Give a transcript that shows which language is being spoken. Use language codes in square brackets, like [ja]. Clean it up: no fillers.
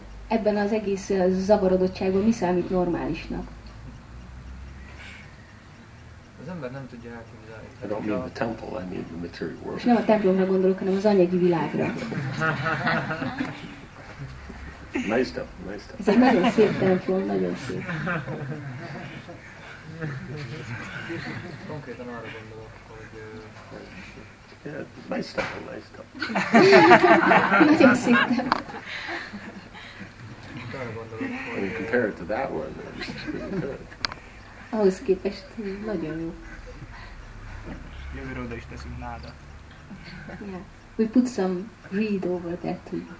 [hu] Ebben az egész zavarodottságban mi számít normálisnak? Az ember nem tudja elképzelni. [en] I don't mean the temple, I mean the material world. [hu] És nem a templomra gondolok, hanem az anyagi világra. [en] Nice temple, nice temple. [hu] Ez egy nagyon szép templom, nagyon szép. Konkrétan arra gondolok, hogy... [en] Yeah, nice temple. [hu] Nagyon szép temple. [en] When you compare it to that one, then it's really good. [hu] Ahhoz képest nagyon jó. Jövőre oda is teszünk nádat. [en] Yeah. We put some reed over there too.